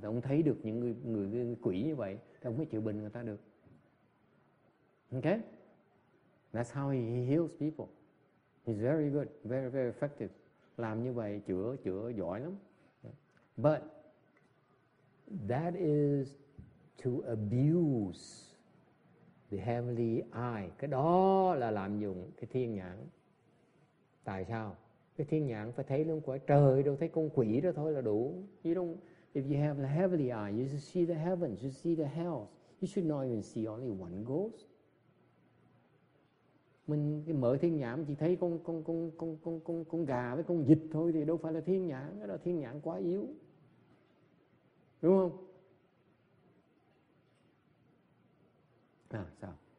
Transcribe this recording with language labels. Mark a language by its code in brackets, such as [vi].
[vi] Thì ông thấy được những người quỷ như vậy, thì ông mới chữa bệnh người ta được. Okay? [en] That's how he heals people. He's very good, very, very effective. [vi] Làm như vậy, chữa giỏi lắm. [en] But that is to abuse the heavenly eye. [vi] Cái đó là lạm dụng cái thiên nhãn. Tại sao? Cái thiên nhãn phải thấy luôn quả trời đâu, thấy con quỷ đó thôi là đủ. [en] You don't, if you have the heavenly eye, you should see the heavens, you see the hells. You should not even see only one ghost. [vi] Mình mở thiên nhãn chỉ thấy con gà với con vịt thôi thì đâu phải là thiên nhãn, cái đó thiên nhãn quá yếu. Đúng không? À sao?